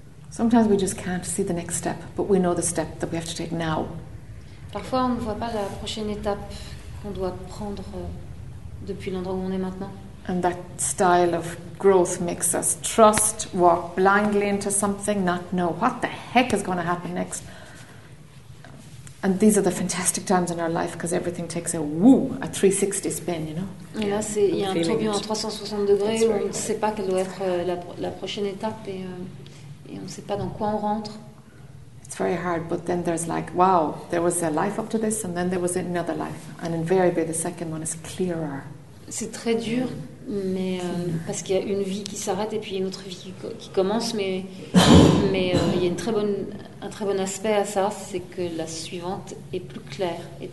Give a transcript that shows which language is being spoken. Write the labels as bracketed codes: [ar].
[en] Sometimes we just can't see the next step, but we know the step that we have to take now. [fr] Parfois, on ne voit pas la prochaine étape qu'on doit prendre depuis l'endroit où on est maintenant. [en] And that style of growth makes us trust, walk blindly into something, not know what the heck is going to happen next. And these are the fantastic times in our life because everything takes a 360 spin, you know. [fr] Et là, c'est il y a un tourbillon à 360 degrés où on ne sait pas quelle doit être la prochaine étape et on ne sait pas dans quoi on rentre. [en] It's very hard, but then there's like, wow, there was a life up to this, and then there was another life, and invariably the second one is clearer. [fr] C'est très dur, mais parce qu'il y a une vie qui s'arrête et puis une autre vie qui commence, mais il y a un très bon aspect à ça, c'est que la suivante est plus claire.